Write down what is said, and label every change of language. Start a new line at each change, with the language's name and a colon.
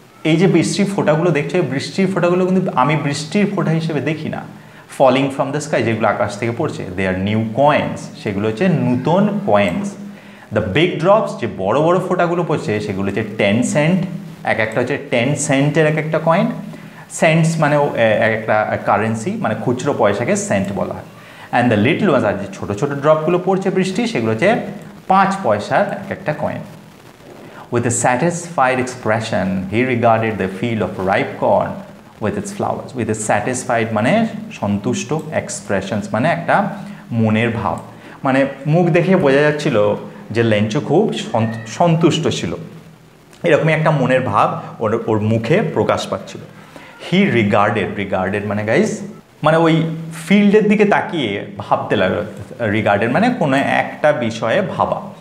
Bangla: এই যে বৃষ্টির ফোঁটাগুলো দেখছো, এই বৃষ্টির ফোঁটাগুলো কিন্তু আমি বৃষ্টির ফোঁটা হিসেবে দেখি না,
English: falling from the sky
Bangla: যেগুলো আকাশ থেকে পড়ছে,
English: they are new coins
Bangla: সেগুলো হচ্ছে নূতন কয়েন্স,
English: the big drops
Bangla: যে বড় বড় ফোঁটাগুলো পড়ছে সেগুলো হচ্ছে 10 cent, এক একটা হচ্ছে 10 cents এক একটা কয়েন, সেন্টস মানে এক একটা কারেন্সি মানে খুচরো পয়সাকে সেন্ট বলা হয়,
English: and the little ones
Bangla: আর যে ছোটো ছোটো ড্রপগুলো পড়ছে বৃষ্টি সেগুলো হচ্ছে 5 পয়সার এক একটা coin.
English: With a satisfied expression, he regarded the field of ripe corn with its flowers. With a satisfied
Bangla: মানে সন্তুষ্ট, expressions মানে একটা মনের ভাব, মানে মুখ দেখে বোঝা যাচ্ছিল যে ল্যাঞ্চো খুব সন্তুষ্ট ছিল, এরকমই একটা মনের ভাব ওর মুখে প্রকাশ পাচ্ছিল।
English: he regarded,
Bangla: রিগার্ডেড মানে গাইজ মানে ওই ফিল্ডের দিকে তাকিয়ে ভাবতে লাগলো, রিগার্ডেড মানে কোনো একটা বিষয়ে ভাবা।